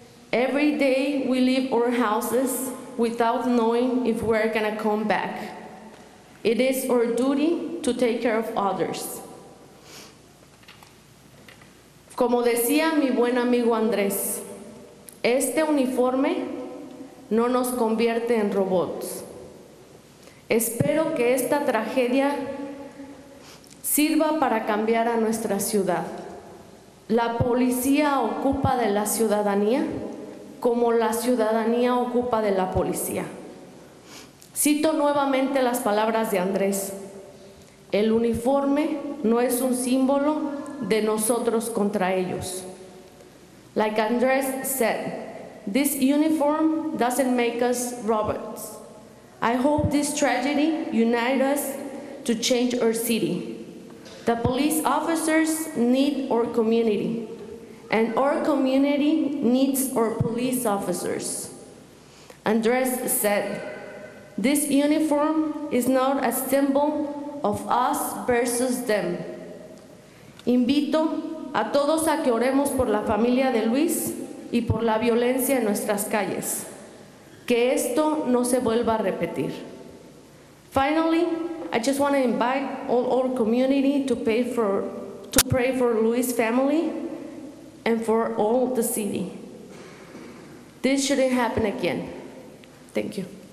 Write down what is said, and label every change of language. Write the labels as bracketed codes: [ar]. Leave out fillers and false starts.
[en] Every day we leave our houses without knowing if we're gonna come back. It is our duty to take care of others. [es] Como decía mi buen amigo Andrés, este uniforme no nos convierte en robots. Espero que esta tragedia sirva para cambiar a nuestra ciudad. La policía ocupa de la ciudadanía como la ciudadanía ocupa de la policía. Cito nuevamente las palabras de Andrés. El uniforme no es un símbolo de nosotros contra ellos. [en] Like Andrés said, this uniform doesn't make us robots. I hope this tragedy unites us to change our city. The police officers need our community, and our community needs our police officers. Andres said, this uniform is not a symbol of us versus them. [es] Invito a todos a que oremos por la familia de Luis y por la violencia en nuestras calles. Que esto no se vuelva a repetir. [en] Finally, I just want to invite all our community to pray for Luis' family and for all the city. This shouldn't happen again. Thank you.